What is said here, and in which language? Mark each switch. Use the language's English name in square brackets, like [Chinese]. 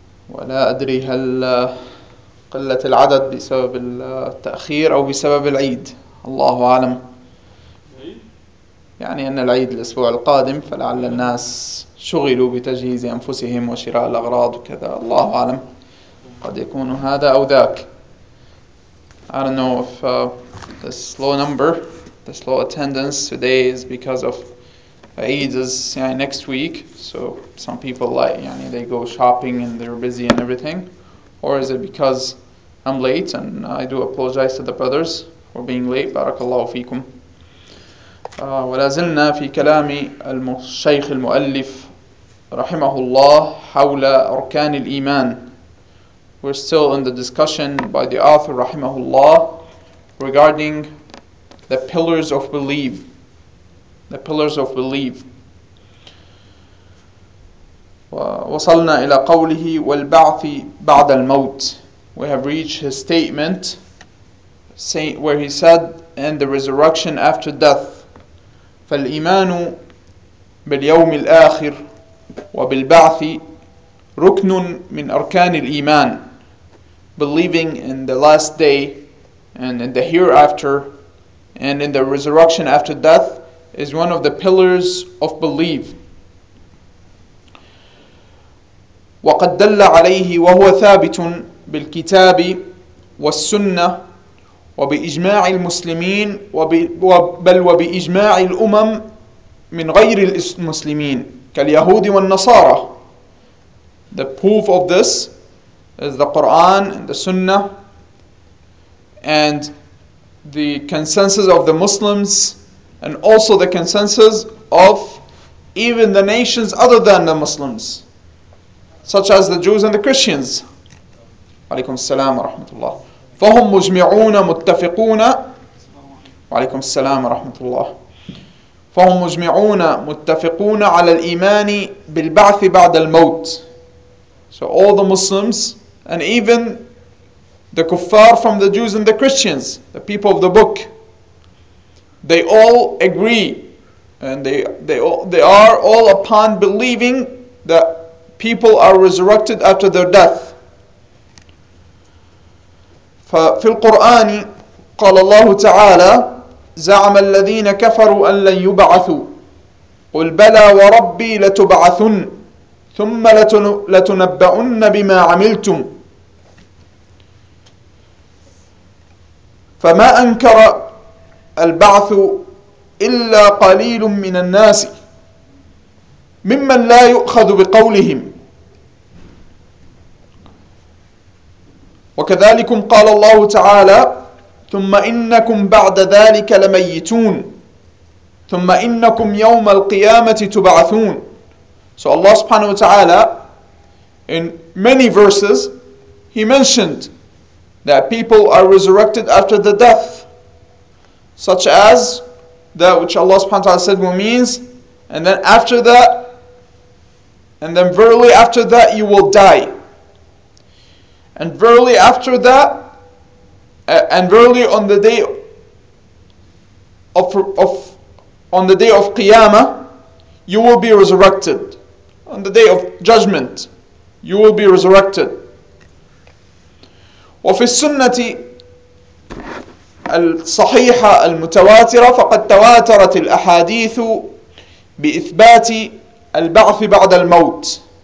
[Arabic] ولا أدري هل قلة العدد بسبب التأخير أو بسبب العيد، الله أعلم. يعني أن العيد الأسبوع القادم، فلعل الناس شغلوا بتجهيز أنفسهم وشراء الأغراض وكذا، الله أعلم. قد يكون هذا أو ذاك. [English] I don't know if the slow number, the slow attendance today is because of Eid is next week, so some people they go shopping and they're busy and everything, or is it because I'm late? And I do apologize to the brothers for being late. [Arabic] Barakallahu feekum. ولا زلنا في كلام الشيخ المؤلف رحمه الله حول أركان الإيمان. [English] We're still in the discussion by the author رحمه الله regarding the pillars of belief. The pillars of belief. [Arabic] وصلنا إلى قوله والبعث بعد الموت. [English] We have reached his statement where he said and the resurrection after death. [Arabic] فالإيمان باليوم الآخر وبالبعث ركن من أركان الإيمان. [English] Believing in the last day and in the hereafter and in the resurrection after death is one of the pillars of belief. [Arabic] وقد دل عليه وهو ثابت بالكتاب والسنة وبإجماع المسلمين بل وبإجماع الأمم من غير المسلمين كاليهود والنصارى. [English] The proof of this is the Quran and the Sunnah and the consensus of the Muslims and also the consensus of even the nations other than the Muslims, such as the Jews and the Christians. [Arabic] عليكم السلام ورحمة الله. فهم مجمعون متفقون. عليكم السلام ورحمة الله. فهم مجمعون متفقون على الإيمان بالبعث بعد الموت. [English] So all the Muslims and even the kuffar from the Jews and the Christians, the people of the book, they all agree and they are all upon believing that people are resurrected after their death. [Arabic] ففي القرآن قال الله تعالى زعم الذين كفروا أن لن يبعثوا قل بلى وربي لتبعثن ثم لتنبؤن بما عملتم. فما أنكر البعث إلا قليل من الناس ممن لا يؤخذ بقولهم. وكذلك قال الله تعالى ثم إنكم بعد ذلك لميتون ثم إنكم يوم القيامة تبعثون. [English] So Allah subhanahu wa ta'ala in many verses he mentioned that people are resurrected after the death, such as that which Allah subhanahu wa ta'ala said means, and then after that, and then verily after that you will die, and verily after that, and verily on the day of Qiyamah you will be resurrected. On the day of judgment you will be resurrected. [Arabic] وفي السنة الصحيحة المتواترة فقد تواترت الأحاديث بإثبات البعث بعد الموت.